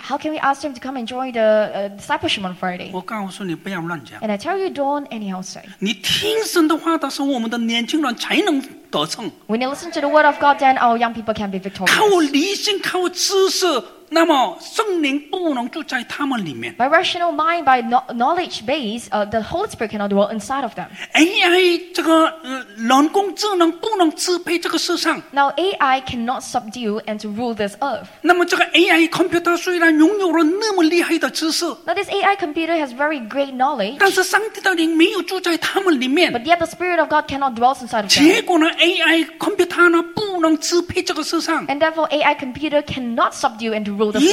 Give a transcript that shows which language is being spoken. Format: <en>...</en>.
<en>How can we ask them to come and join the discipleship on Friday?</en> <zh>我告诉你，不要乱讲。</zh> <en>And I tell you, don't anyhow say.</en> <zh>你听神的话，到时候我们的年轻人才能得胜。</zh> <en>When you listen to the word of God, then our young people can be victorious.</en> <zh>靠理性，靠知识。那么圣灵不能住在他们里面</zh> <en>By rational mind, by knowledge base the Holy Spirit cannot dwell inside of them</en> <zh>AI 这个人工智能不能支配这个世上</zh> <en>Now AI cannot subdue and to rule this earth</en> <zh>那么这个AI computer 虽然拥有了那么厉害的知识</zh> <en>Now this AI computer has very great knowledge</en> <zh>但是上帝的灵没有住在他们里面</zh> <en>But yet the Spirit of God cannot dwell inside of them</en> <zh>结果呢AI computer 呢不能支配这个世上</zh> <en>And therefore AI computer cannot subdue and to rule</en>